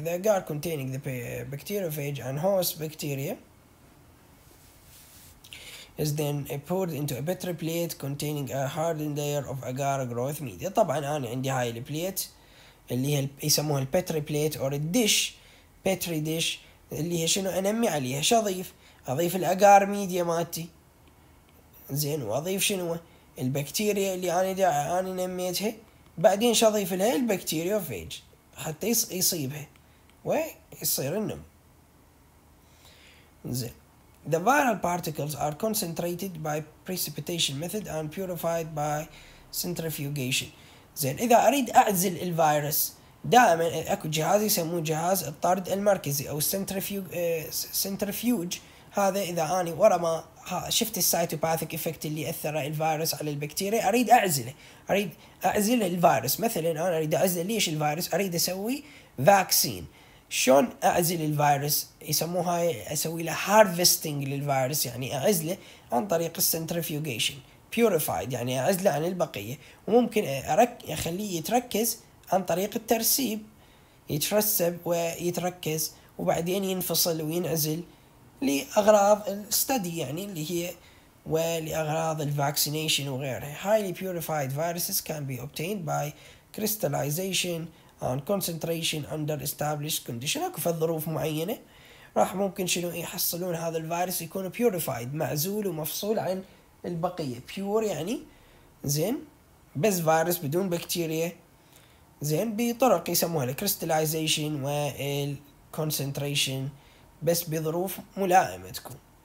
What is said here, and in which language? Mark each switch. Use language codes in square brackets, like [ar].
[en] The agar containing the bacteriophage and host bacteria is then poured into a petri plate containing a hardened layer of agar growth media. [ar] طبعا انا عندي هاي البليت اللي هي يسموها البتري بليت اور الدش، بيتري ديش اللي هي شنو انمي عليها، شو اضيف؟ اضيف الاجار ميديا مالتي زين، واضيف شنو البكتيريا اللي انا نميتها، بعدين شو اضيف لها البكتيريوفيج حتى يصيبها ويصير النم. [en] زين the viral particles are concentrated by precipitation method and purified by centrifugation. [ar] زين اذا اريد اعزل الفيروس دائما اكو جهاز يسموه جهاز الطرد المركزي او سنترفيوج. هذا اذا اني ورا ما شفت السيتوباثيك افكت اللي اثر الفيروس على البكتيريا اريد اعزله، اريد اعزل الفيروس. مثلا انا اريد اعزل ليش الفيروس، اريد اسوي فاكسين. شلون اعزل الفيروس؟ يسموها اسوي له هارفستنج للفيروس، يعني اعزله عن طريق السنترفيوجيشن بيوريفايد، يعني اعزله عن البقيه، وممكن اخليه يتركز عن طريق الترسيب، يترسب ويتركز وبعدين ينفصل وينعزل لأغراض الستدي، يعني اللي هي ولأغراض الفاكسينيشن وغيرها. [en] Highly purified viruses can be obtained by crystallization and concentration under established condition. [ar] أكو في الظروف معينة راح ممكن شنو يحصلون هذا الفيروس يكون purified، معزول ومفصول عن البقية. pure يعني زين، بس فيروس بدون بكتيريا زين، بطرق يسموها الكريستاليزيشن والكونسنتريشن، بس بظروف ملائمة تكون.